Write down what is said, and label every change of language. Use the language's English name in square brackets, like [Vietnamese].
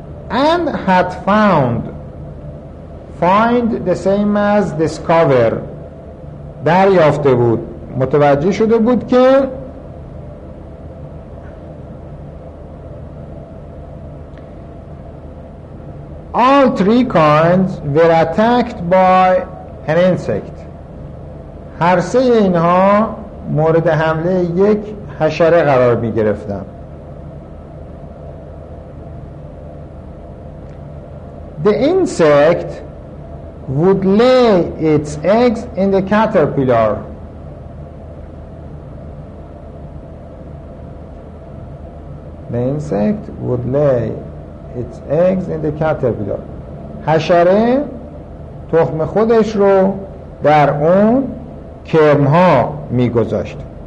[English] And had found, find the same as discover, [Persian] دریافته بود, متوجه شده بود [English] که all three kinds were attacked by an insect. [Persian] هر سه اینها مورد حمله یک حشره قرار می گرفتن. [English] The insect would lay its eggs in the caterpillar. The insect would lay its eggs in the caterpillar. [Persian] حشره تخم خودش رو در اون کرم ها می گذاشت.